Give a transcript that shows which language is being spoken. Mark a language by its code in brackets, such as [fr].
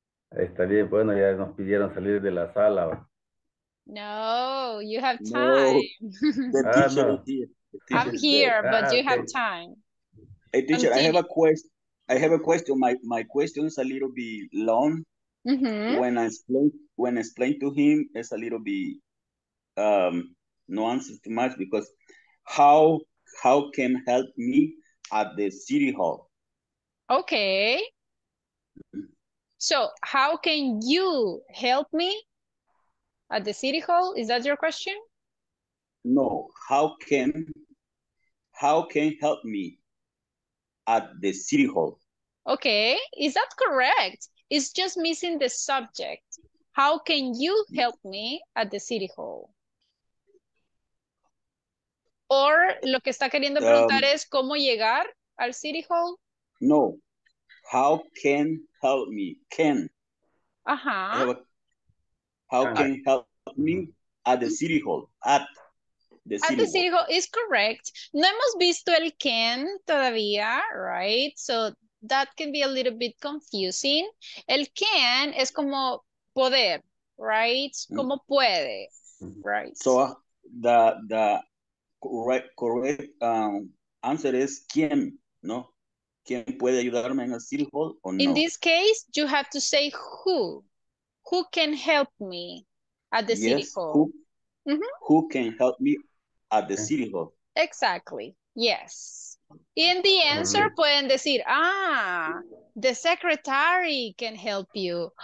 [es] Está bien, bueno, ya nos pidieron salir de la sala. [en] No, you have time. No, the teacher is here, but you have time. Hey, teacher, I have a question. My question is a little bit long. Mm-hmm. When I explain to him, it's a little bit no answer too much, because how can help me at the city hall? Okay. So, how can you help me at the city hall? Is that your question? No. How can help me at the city hall? Okay. Is that correct? It's just missing the subject. How can you help me at the city hall? [es] Or lo que está queriendo preguntar es cómo llegar al city hall? [en] No. How can help me? Can. Can help me at the city hall? At the city hall is correct. [es] No hemos visto el can todavía, right? [en] So that can be a little bit confusing. [es] El can es como poder, right? Como puede, right? [en] So the correct answer is quien, no? [es] ¿Quién puede ayudarme en el city hall o no? [en] In this case, you have to say who. Who can help me at the city hall? Who can help me at the city hall? Exactly. Yes. In the answer, [es] pueden decir, [en] the secretary can help you.